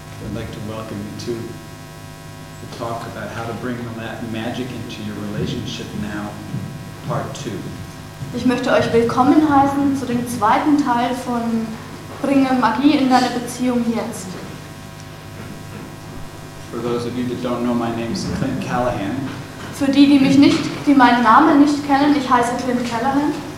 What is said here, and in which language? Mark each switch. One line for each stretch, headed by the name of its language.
English: I'd like to welcome you to the talk about how to bring that magic into your relationship now, part two.
German: Ich möchte euch willkommen heißen zu dem zweiten Teil von Bringe Magie in deine Beziehung jetzt.
English: For those of you that don't know, my name is Clint Callahan.
German: Für die, die mich nicht, die meinen Namen nicht kennen, ich heiße Clint Callahan.